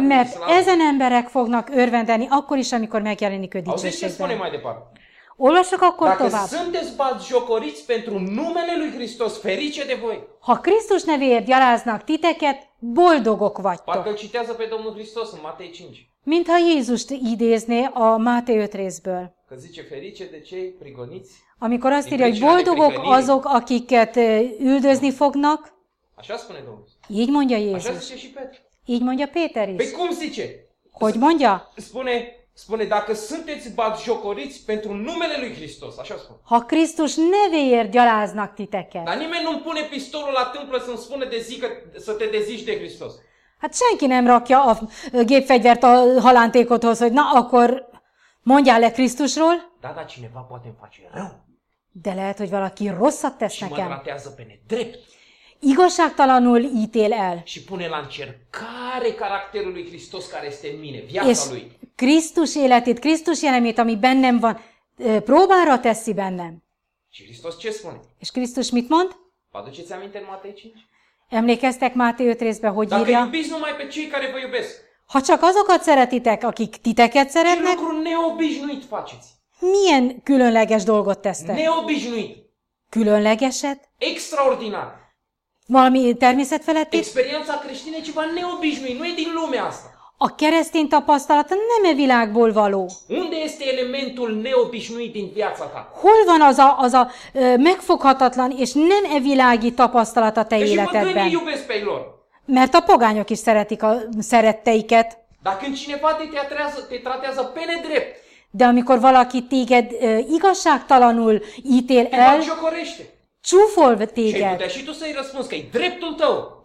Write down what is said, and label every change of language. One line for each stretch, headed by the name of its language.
Hungarian: mert ezen emberek fognak örvendeni akkor is, amikor megjelenik ő dicsőségben. Olvassuk akkor
Romanian: dacă
Hungarian: tovább.
Romanian: Sunteți batjocoriți pentru numele lui Hristos, ferice de voi.
Hungarian: Ha Krisztus nevéért gyaláznak titeket, boldogok vagytok.
Romanian: Parcă citează pe Domnul Hristos în Matei 5.
Hungarian: Mintha Jézust idézné a Máté 5 részből.
Romanian: Că zice ferice de cei prigoniți.
Hungarian: Amikor azt írja, hogy boldogok azok, akiket üldözni fognak.
Romanian: Așa spune Domnul.
Hungarian: Így mondja Jézus.
Romanian: Așa zice și Péter.
Hungarian: Így mondja Péter is.
Romanian: Pe cum zice?
Hungarian: Hogy mondja?
Romanian: Spune, dacă sunteți batjocoriți pentru numele lui Hristos, așa spune.
Hungarian: Ha Krisztus nevéért gyaláznak titeket.
Romanian: Dar nimeni nu-mi pune pistolul la tâmplă să-mi spune de zică, să te dezici de Hristos.
Hungarian: Hát senki nem rakja a gépfegyvert a halántékodhoz, hogy na akkor mondjál le Krisztusról.
Romanian: Da, cineva poate face rău.
Hungarian: De lehet, hogy valaki rosszat tesz
Romanian: și
Hungarian: nekem.
Romanian: Mă tratează pe nedrept.
Hungarian: Igazságtalanul ítél el.
Romanian: Și pune la încercare caracterul lui Hristos care este în mine, viața
Hungarian: és
Romanian: lui.
Hungarian: Krisztus életét, Krisztus jellemét, ami bennem van, próbára teszi bennem.
Romanian: Și Hristos ce spune?
Hungarian: És Krisztus mit mond?
Romanian: Vă aduceți aminte în Matei 5?
Hungarian: Emlékeztek Máté 5 részben, hogy
Romanian: dacă
Hungarian: írja?
Romanian: Iubiți numai pe cei care vă iubesc.
Hungarian: Ha csak azokat szeretitek, akik titeket szeretnek,
Romanian: ce lucru neobișnuit faceți?
Hungarian: Milyen különleges dolgot tesztek?
Romanian: Neobișnuit.
Hungarian: Különlegeset?
Romanian: Extraordinar.
Hungarian: Valami természetfeletti?
Romanian: Experiența creștină e ceva neobișnuit, nu e din lumea asta.
Hungarian: A keresztény tapasztalata nem e világból való.
Romanian: Unde este elementul neobișnuit din viața ta?
Hungarian: Hol van az a megfoghatatlan és nem e világi tapasztalata te de életedben?
Romanian: És mi iubesc pe lor?
Hungarian: Mert a pogányok is szeretik a szeretteiket.
Romanian: Dar când cineva te tratează pe nedrept.
Hungarian: De amikor valaki téged igazságtalanul ítél el, csúfol téged.
Romanian: És tu să-i răspunsz, că-i dreptul tău.